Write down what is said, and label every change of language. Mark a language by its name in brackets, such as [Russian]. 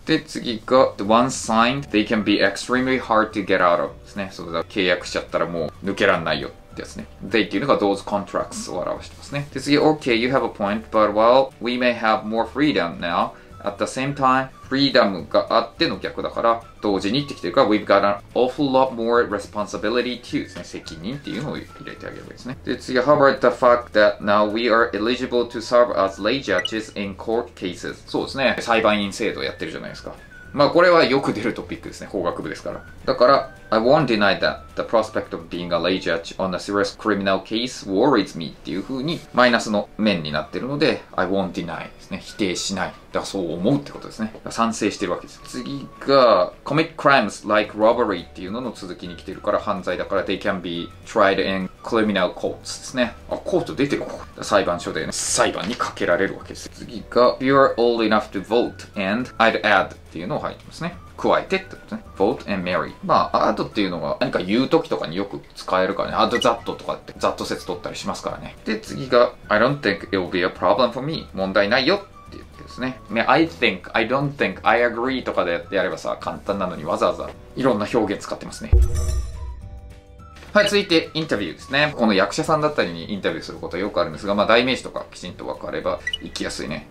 [Japanese] で次が [English] the one signed they can be extremely hard to get out of [Japanese] ですね。そうだ、契約しちゃったらもう抜けらんないよってやつね。 they っていうのが [English] those contracts [Japanese] を表してますね。で次 [English] okay you have a point but while we may have more freedom nowAt the same time, [Japanese] freedom があっての逆だから、同時にってきてるから、 [English] We've got an awful lot more responsibility to [Japanese] ですね。責任っていうのを入れてあげるわけですね。で、次は、 [English] How about the fact that now we are eligible to serve as lay judges in court cases? [Japanese] そうですね。裁判員制度やってるじゃないですか。まあ、これはよく出るトピックですね。法学部ですから。だから、 [English] I won't deny that the prospect of being a lay judge on a serious criminal case worries me [Japanese] っていう風にマイナスの面になってるので [English] I won't deny [Japanese] ですね。否定しない。だからそう思うってことですね。賛成してるわけです。次が [English] commit crimes like robbery [Japanese] っていうのの続きに来てるから、犯罪だから [English] they can be tried in criminal courts [Japanese] ですね。あ、コート出てる。裁判所で、ね、裁判にかけられるわけです。次が [English] you're old enough to vote and I'd add [Japanese] っていうのを入ってますね。加えてってことね。 [English] Vote and marry。 [Japanese] まあ、add っていうのが何か言うときとかによく使えるからね。 [English] add that [Japanese] とかって、that 説取ったりしますからね。で、次が、 [English] I don't think it'll be a problem for me。 [Japanese] 問題ないよって言ってですね。ね、 [English] I think, I don't think, I agree [Japanese] とかでやればさ、簡単なのにわざわざいろんな表現使ってますね。はい、続いて、インタビューですね。この役者さんだったりにインタビューすることはよくあるんですが、まあ、代名詞とかきちんと分かれば、行きやすいね。